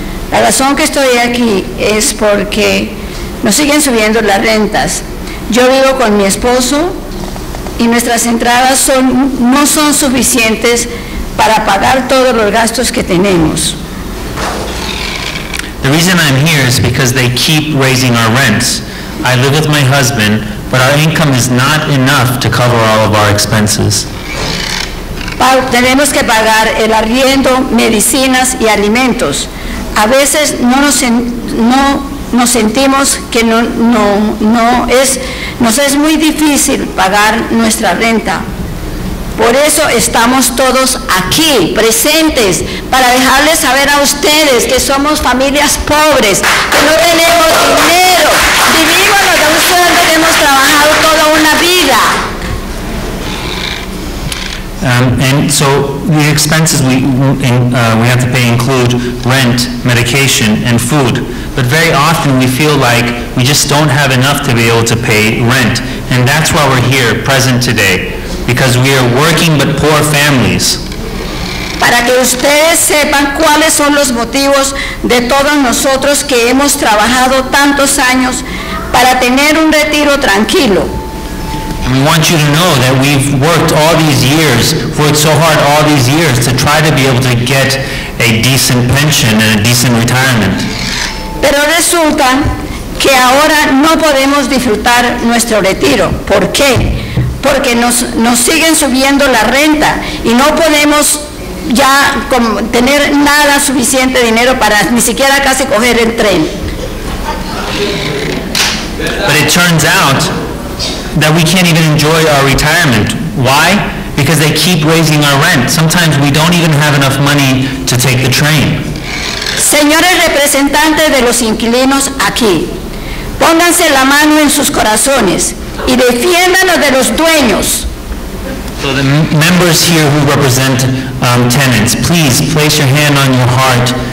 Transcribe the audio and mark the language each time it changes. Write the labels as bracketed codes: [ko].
[es] La razón que estoy aquí es porque nos siguen subiendo las rentas. Yo vivo con mi esposo y nuestras entradas no son suficientes para pagar todos los gastos que tenemos. [en] The reason I'm here is because they keep raising our rents. I live with my husband, but our income is not enough to cover all of our expenses. [es] Tenemos que pagar el arriendo, medicinas y alimentos. A veces nos es muy difícil pagar nuestra renta. Por eso estamos todos aquí, presentes, para dejarles saber a ustedes que somos familias pobres, que no tenemos dinero. Vivimos lo que ustedes hemos trabajado toda una vida. [en] And so the expenses we have to pay include rent, medication, and food. But very often we feel like we just don't have enough to be able to pay rent. And that's why we're here, present today. Because we are working but poor families. [es] Para que ustedes sepan cuáles son los motivos de todos nosotros que hemos trabajado tantos años para tener un retiro tranquilo. [en] And we want you to know that we've worked so hard all these years to try to be able to get a decent pension and a decent retirement. [es] Pero resulta que ahora no podemos disfrutar nuestro retiro. ¿Por qué? Porque nos siguen subiendo la renta y no podemos ya tener nada suficiente dinero para ni siquiera casi coger el tren. [en] But it turns out that we can't even enjoy our retirement. Why? Because they keep raising our rent. Sometimes we don't even have enough money to take the train. [es] Señores representantes de los inquilinos aquí, pónganse la mano en sus corazones y defiéndanos de los dueños. [en] So the members here who represent tenants, please place your hand on your heart